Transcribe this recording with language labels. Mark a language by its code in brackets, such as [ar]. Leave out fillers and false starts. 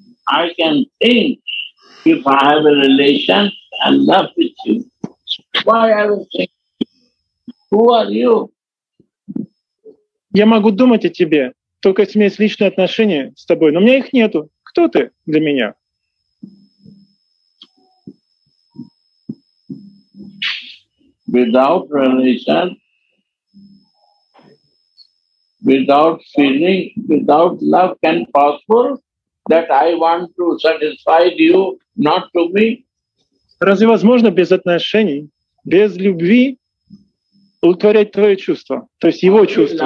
[en] I can think if I have a relation and love with you. Why I will think? Who are you? [ru] Я могу думать о тебе, только если у меня есть личные отношения с тобой, но у меня их нету. Кто ты для меня? [en] Without relation, without feeling, without love, can possible that I want to satisfy you, not to me? [ru] Разве возможно без отношений, без любви удовлетворять твои чувства, то есть его чувства?